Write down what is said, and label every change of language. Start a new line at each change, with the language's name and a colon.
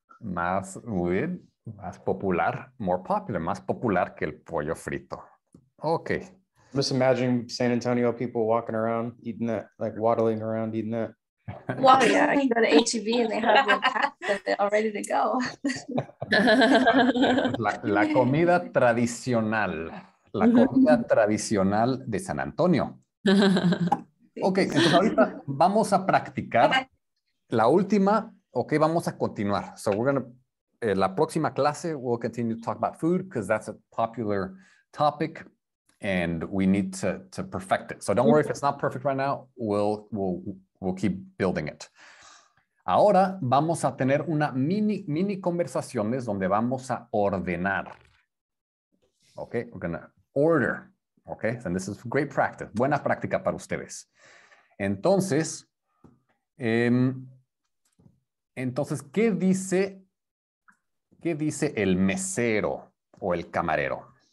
Spanish: Más, muy bien, más popular,
English: more popular,
Spanish: más popular que el pollo frito.
English: Okay. I'm just imagining San Antonio people walking around eating that, like waddling around eating that. Well, yeah, you go to HEB and they have their packs that they're all ready to go.
Spanish: La comida tradicional. La comida tradicional de San Antonio. Ok, entonces ahorita vamos a practicar la última. Ok, vamos a continuar.
English: So we're going to,
Spanish: la próxima clase,
English: we'll continue to talk about food because that's a popular topic and we need to perfect it. So don't worry if it's not perfect right now. We'll keep building it.
Spanish: Ahora vamos a tener una mini conversaciones donde vamos a ordenar.
English: Okay, we're gonna order. Okay, and this is great practice.
Spanish: Buena práctica para ustedes. Entonces, ¿qué dice el mesero o el camarero?